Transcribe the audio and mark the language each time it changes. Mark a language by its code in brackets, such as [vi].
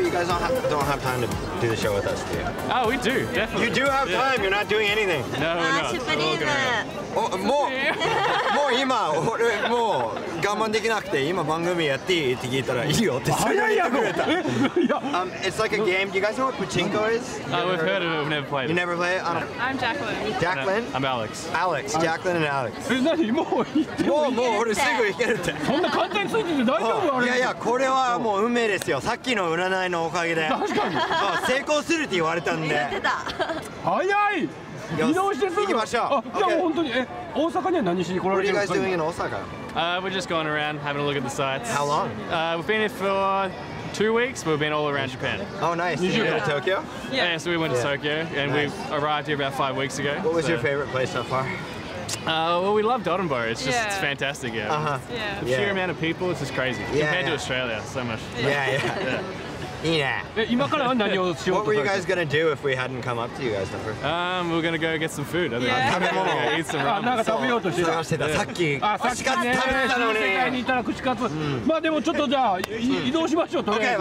[en] You guys don't have time to do the show with us, do you? Oh, we do, definitely. You do have time, you're not doing anything. No, we're not. シュパリーム。 [ja] もう今俺もう我慢できなくて、今番組やっていいって聞いたらいいよって早いやろ。 [en] It's like a game. Do you guys know what Pachinko is? We've heard of it, we've never played it. You never played it? No. I'm Jacqueline. Jacqueline? No, I'm Alex. Alex, Jacqueline and Alex. [ja] 何、もう言ってもいい。もう俺すぐ行けるって。そんな簡単についてて大丈夫あれ。いやいや、これはもう運命ですよ。さっきの占いのおかげで。確かに成功するって言われたんで。言ってた。早い。移動してすぐ行きましょう。あ、じゃあもう本当に、え、大阪には何しに来られてるんですか。 [en] What are you guys doing in Osaka? We're just going around, having a look at the sights. How long? We've been here for 2 weeks, but we've been all around Japan. Oh, nice. Did you go to Tokyo? Yeah, so we went to Tokyo, and we arrived here about 5 weeks ago. What was your favorite place so far? Well, we love Dotonbori. It's just, it's fantastic here. Uh-huh. The sheer amount of people, it's just crazy. Compared to Australia, so much. Yeah. What were you guys going to do if we hadn't come up to you guys the first time? We're going to go get some food. Eat some ramen. [ja] なんか食べようとしてた。探してた。さっき。あ、さっきね。食べたのに。世界にいたら串カツ。まあでもちょっとじゃあ移動しましょう。とりあえず。